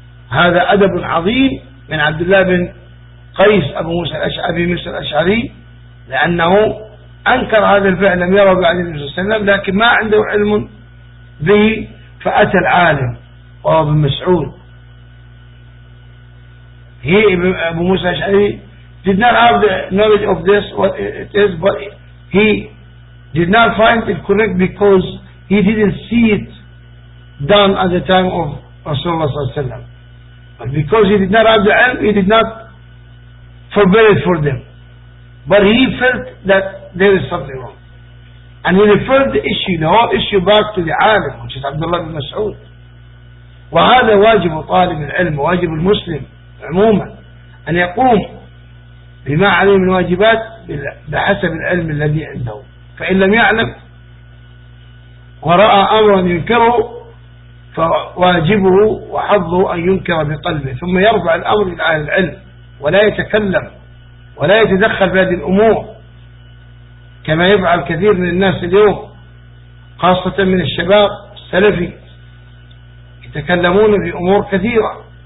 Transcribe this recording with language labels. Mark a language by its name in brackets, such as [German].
[Arabic] هذا أدب عظيم من عبد الله بن قيس أبو موسى الأشعري, لأنه أنكر هذا الفعل, لم يره بعد النبي صلى الله عليه وسلم, لكن ما عنده علم به, فأتى العالم وهو ابن مسعود. [English] هي أبو موسى الأشعري did not have the knowledge of this, what it is, but he did not find it correct because he didn't see it done at the time of Rasulullah. But because he did not have the ilm, he did not forbid it for them. But he felt that there is something wrong. And he referred the issue, the whole issue, back to the alim, which is Abdullah bin Mas'ud. [Arabic] وَهَذَا وَاجِبُ طَالِبِ الْعِلْمِ وَاجِبُ الْمُسْلِمِ عُمُومًا أَنْ يَقُومُ بِمَا عَلِيهِ مِنْ وَاجِبَاتِ بِحَسَبِ الْعِلْمِ الَّذِي عِنْدَهُ فَإِنْ لَمْ يَعْلَمْ وَرَأَى أَمْرًا يُنْكَرُهُ فَوَاجِبُهُ وَحَظُّهُ أَنْ يُنْكَرَ بِقَلْبِهِ ثُمَّ يَرْفَعُ الْأَمْرَ إِلَى أَهْلِ الْعِلْمِ وَلَا يَتَكَلَّمُ وَلَا يَتَدَخَّلُ فِي هَذِهِ الْأُمُورِ كما يفعل كثير من الناس اليوم، خاصة من الشباب السلفي، يتكلمون في أمور كثيرة.